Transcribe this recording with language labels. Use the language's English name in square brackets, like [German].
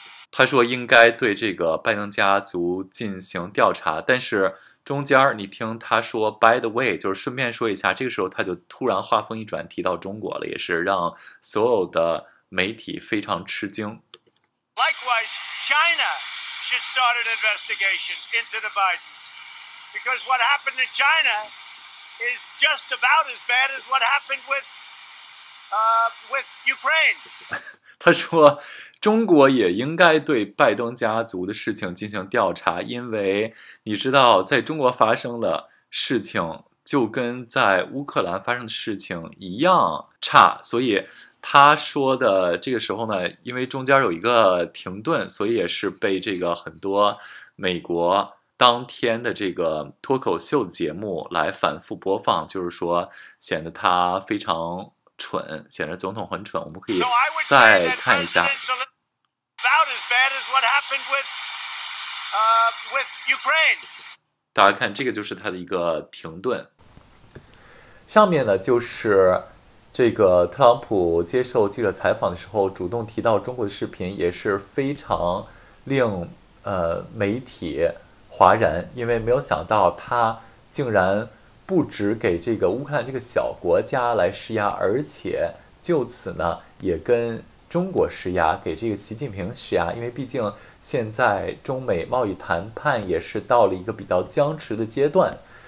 [Chinese] 他说应该对这个拜登家族进行调查，但是中间你听他说 [English] "by the way"， [Chinese] 就是顺便说一下，这个时候他就突然话锋一转，提到中国了，也是让所有的媒体非常吃惊。 [English] Likewise, China should start an investigation into the Bidens, because what happened in China is just about as bad as what happened with Ukraine. [Chinese] 他说，中国也应该对拜登家族的事情进行调查，因为你知道，在中国发生的事情就跟在乌克兰发生的事情一样差，所以他说的这个时候呢，因为中间有一个停顿，所以也是被这个很多美国当天的这个脱口秀节目来反复播放，就是说显得他非常蠢，显得总统很蠢。我们可以 [English] So I would say [Chinese] 再 [English] that [Chinese] 看一下。 [English] President Zelensky about as bad as what happened with Ukraine. [Chinese] 大家看，这个就是他的一个停顿。上面呢，就是这个特朗普接受记者采访的时候主动提到中国的视频，也是非常令媒体哗然，因为没有想到他竟然不止给这个乌克兰这个小国家来施压，而且就此呢也跟中国施压，给这个习近平施压，因为毕竟现在中美贸易谈判也是到了一个比较僵持的阶段。